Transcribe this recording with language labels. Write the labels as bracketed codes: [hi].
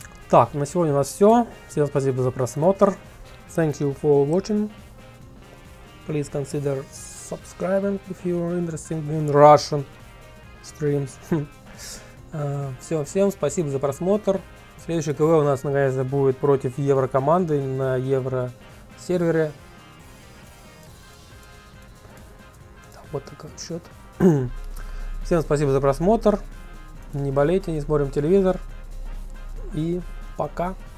[ru] Так, на сегодня у нас все. Всем спасибо за просмотр. [en] Thank you for watching. Please consider subscribing if you're interested in Russian streams. [ru] Все, всем спасибо за просмотр. Следующий КВ у нас наконец-то будет против Еврокоманды на Евросервере. Вот такой счет. Всем спасибо за просмотр. Не болейте, не смотрим телевизор. И пока.